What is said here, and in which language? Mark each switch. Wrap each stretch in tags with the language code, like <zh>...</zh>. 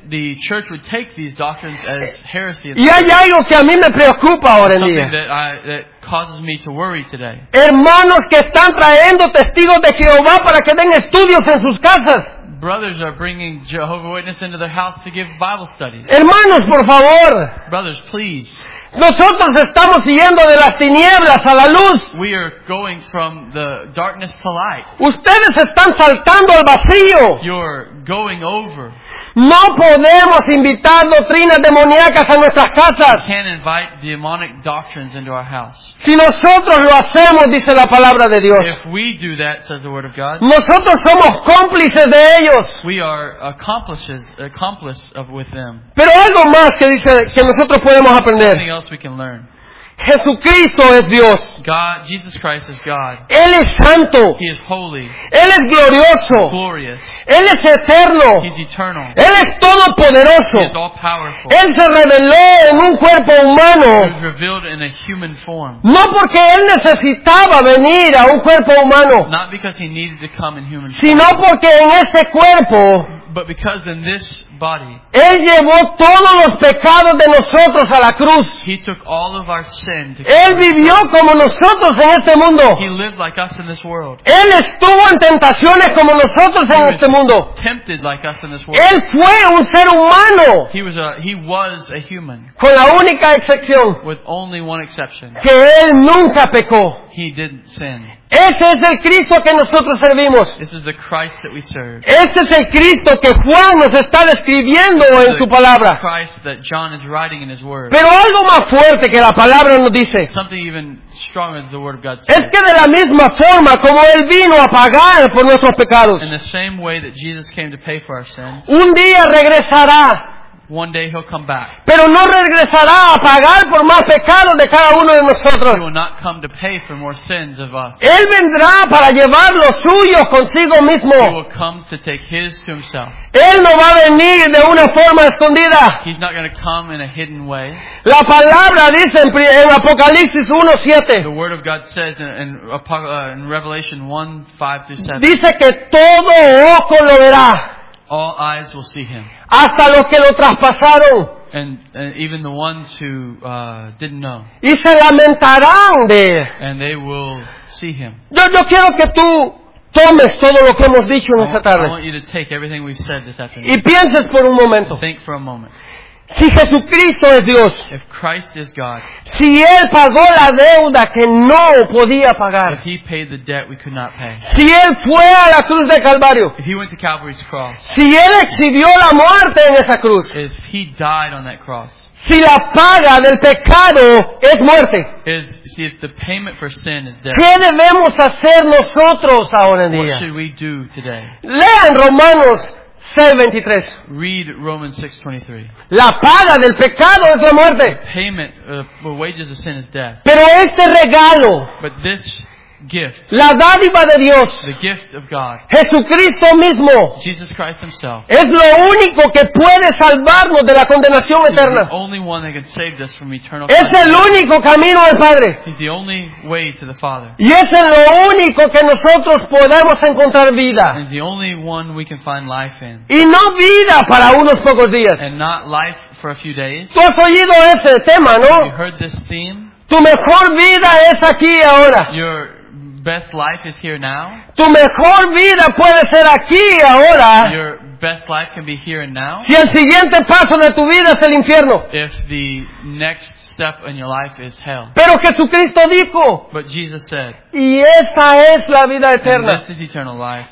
<en>The church would take these doctrines as heresy.</en> <es>Y hay algo que a mí me preocupa ahora en día.</es> <en>That causes me to worry today.</en> <es>Hermanos que están trayendo testigos de Jehová para que den estudios en sus casas.</es> <en>Brothers are bringing Jehovah's Witness into their house to give Bible studies.</en> <es>Hermanos, por favor.</es> <en>Brothers, please.</en> <es>Nosotros estamos yendo de las tinieblas a la luz.</es> <en>We are going from the darkness to light.</en> <es>Ustedes están saltando al vacío.</es> <en>You're going over.</en> <es>No podemos invitar doctrinas demoníacas a nuestras casas.</es> <en>We can't invite demonic doctrines into our house.</en> <es>Si nosotros lo hacemos, dice la palabra de Dios.</es> <en>If we do that, says the word of God.</en> <es>Nosotros somos cómplices de ellos.</es> <en>We are accomplices with them.</en> <es>Pero algo más que dice que nosotros podemos aprender.</es> <en>Something else we can learn.</en> <es>Jesucristo es Dios.</es> <en>God, Jesus Christ is God.</en> <es>Él es santo.</es> <en>He is holy.</en> <es>Él es glorioso.</es> <en>Glorious.</en> <es>Él es eterno.</es> <en>He's eternal.</en> <es>Él es todopoderoso.</es> <en>He is all powerful.</en> <es>Él se reveló en un cuerpo humano.</es> <en>He was revealed in a human form.</en> <es>No porque él necesitaba venir a un cuerpo humano.</es> <en>Not because he needed to come in human form.</en> <es>Sino porque en ese cuerpo.</es> <en>But because in this body,</en> <es>él llevó todos los pecados de nosotros a la cruz.</es> <en>He took all of our sin to</en> <es>él vivió como nosotros en este mundo.</es> <en>He lived like us in this world.</en> <es>Él estuvo en tentaciones como nosotros en este mundo.</es> <en>Tempted like us in this world.</en> <es>Él fue un ser humano.</es> <en>He was a human.</en> <es>Con la única excepción.</es> <en>With only one exception.</en> <es>Que él nunca pecó.</es> <en>He didn't sin.</en> <es>Ese es el Cristo que nosotros servimos.</es> <en>This is the Christ that we serve.</en> <es>Este es el Cristo que Juan nos está describiendo en su palabra.</es> <en>Christ that John is writing in his word.</en> <es>Pero algo más fuerte que la palabra nos dice.</es> <en>Something even stronger than the word of God says.</en> <es>Es que de la misma forma como Él vino a pagar por nuestros pecados.</es> <en>In the same way that Jesus came to pay for our sins.</en> <es>Un día regresará.</es> <en>One day he'll come back.</en> <es>Pero no regresará a pagar por más pecados de cada uno de nosotros.</es> <en>He will not come to pay for more sins of us.</en> <es>Él vendrá para llevar los suyos consigo mismo.</es> <en>He will come to take his to himself.</en> <es>Él no va a venir de una forma escondida.</es> <en>He's not going to come in a hidden way.</en> <es>La palabra dice en Apocalipsis 1:7.</es> <en>The word of God says in Revelation 1:5-7.</en> <es>Dice que todo ojo lo verá.</es> <en>All eyes will see him.</en> <es>Hasta los que lo traspasaron.</es> <en>And even the ones who didn't know.</en> <es>Y se lamentarán de él.</es> <en>And they will see him.</en> <es>Yo quiero que tú tomes todo lo que hemos dicho en esta tarde.</es> <en>I want you to take everything we've said this afternoon.</en> <es>Y pienses por un momento.</es> <en>Think for a moment.</en> <es>Si Jesucristo es Dios.</es> <en>If Christ is God.</en> <es>Si Él pagó la deuda que no podía pagar.</es> <en>If he paid the debt we could not pay.</en> <es>Si Él fue a la cruz de Calvario.</es> <en>If he went to Calvary's cross.</en> <es>Si Él exhibió la muerte en esa cruz.</es> <en>If he died on that cross.</en> <es>Si la paga del pecado es muerte.</es> <en>See, if the payment for sin is death.</en> <es>¿Qué debemos hacer nosotros ahora en día?</es> <en>What should we do today?</en> <es>Lean Romanos 6:23.</es> <en>Read Romans 6:23.</en> <es>La paga del pecado es la muerte.</es> <en>The payment, the wages of sin is death.</en> <es>Pero este regalo.</es> <en>But this gift.</en> <es>La dádiva de Dios.</es> <en>The gift of God.</en> <es>Jesucristo mismo.</es> <en>Jesus Christ himself.</en> <es>Es lo único que puede salvarnos de la condenación eterna.</es> <en>He's the only one that can save us from eternal.</en> <es>Es el único camino al Padre.</es> <en>He's the only way to the Father.</en> <es>Y es el único que nosotros podemos encontrar vida.</es> <en>He's the only one we can find life in.</en> <es>Y no vida para unos pocos días.</es> <en>And not life for a few days.</en> <es>¿Tú has oído ese tema, no?</es> <en>You heard this theme.</en> <es>Tu mejor vida es aquí ahora.</es> <en>Your best life is here now.</en> <es>Tu mejor vida puede ser aquí ahora.</es> <en>Your best life can be here and now.</en> <es>Si el siguiente paso de tu vida es el infierno.</es> <en>If the next step in your life is hell.</en> <es>Pero Jesucristo dijo.</es> <en>But Jesus said.</en> <es>Y esta es la vida eterna.</es> <en>And this is eternal life.</en>